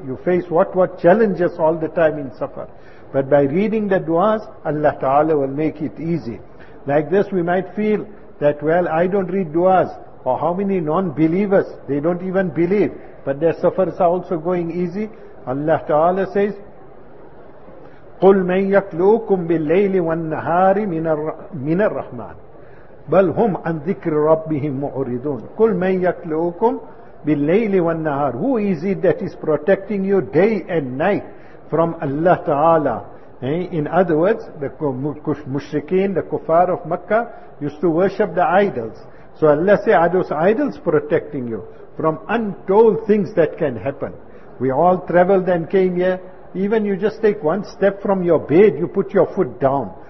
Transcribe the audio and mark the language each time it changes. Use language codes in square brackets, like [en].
[en] You face what challenges all the time in safar. But by reading the du'as, Allah Ta'ala will make it easy. Like this, we might feel that, well, I don't read du'as. Or how many non-believers, they don't even believe, but their suffers are also going easy. [ar] Allah Ta'ala says, قُلْ مَنْ يَكْلُوكُمْ بِاللَّيْلِ وَالنَّهَارِ مِنَ الرَّحْمَنِ بَلْ هُمْ عَنْ ذِكْرِ رَبِّهِمْ مُعْرِضُونَ قُلْ مَنْ يَكْلُوكُمْ بِاللَّيْلِ وَالنَّهَارِ [en] Who is it that is protecting you day and night from Allah Ta'ala? In other words, the mushrikeen, the kuffar of Makkah, used to worship the idols. So Allah says, are those idols protecting you from untold things that can happen? We all traveled and came here. Even you just take one step from your bed, you put your foot down.